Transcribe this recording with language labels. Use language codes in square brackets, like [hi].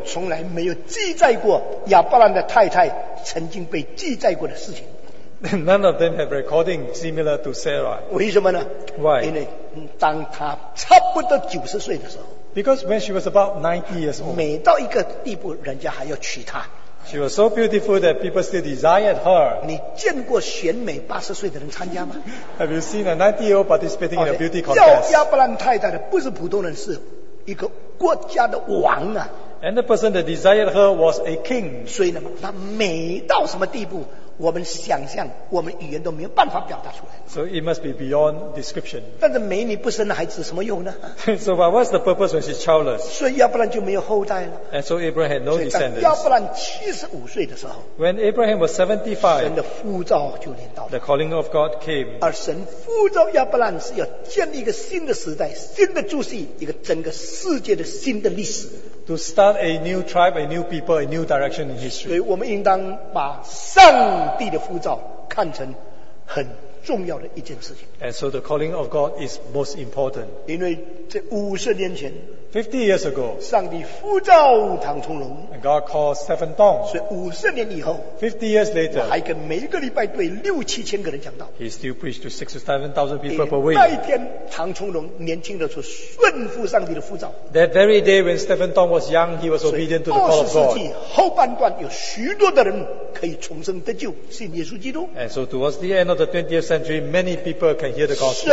[zh] 从来没有记载过亚伯兰的太太曾经被记载过的事情。 [en] None of them have recording similar to Sarah. [zh] 为什么呢 [en] ？Why？ [zh] 因为当她差不多九十岁的时候 [en] ，Because when she was about 90 years old， [zh] 每到一个地步，人家还要娶她。 [en] She was so beautiful that people still desired her. [zh] 你见过选美八十岁的人参加吗 [en] ？Have you seen a 90-year-old participating in a beauty contest? [zh] 要亚伯兰太太的不是普通人，是一个国家的王啊。 [en] And the person that desired her was a king. [zh] 所以呢，那美到什么地步，我们想象，我们语言都没有办法表达出来。 [en] So it must be beyond description. [zh] 但是美女不生孩子什么用呢 [en] ？So but what's the purpose when she's childless? [zh] 所以亚伯兰就没有后代了。 [en] And so Abraham had no descendants. [zh] 亚伯兰七十五岁的时候 [en] ，When Abraham was 75, [zh] 神的呼召就临到了。 [en] The calling of God came. [zh] 而神呼召亚伯兰是要建立一个新的时代、新的注释、一个整个世界的新的历史。 [en] To start a new tribe, a new people, a new direction in history. [zh] 所以我们应当把上帝的呼召看成很重要的一件事情。 [en] And so the calling of God is most important. [zh] 因为这五十年前 [en] ，50 years ago， [zh] 上帝呼召唐崇荣 [en] ，and God called Stephen Tong。 [zh] 所以五十年以后 [en] ，50 years later， [zh] 我还跟每一个礼拜对六七千个人讲道。 [en] He still preached to 6,000 to 7,000 people per week. [zh] 那一天，唐崇荣年轻的时候顺服上帝的呼召。 [en] That very day when Stephen Tong was young, he was obedient to the call of God. [zh] 二十世纪后半段有许多的人可以重生得救，信耶稣基督。 [en] And so towards the end of the 20th century, many people can hear the gospel.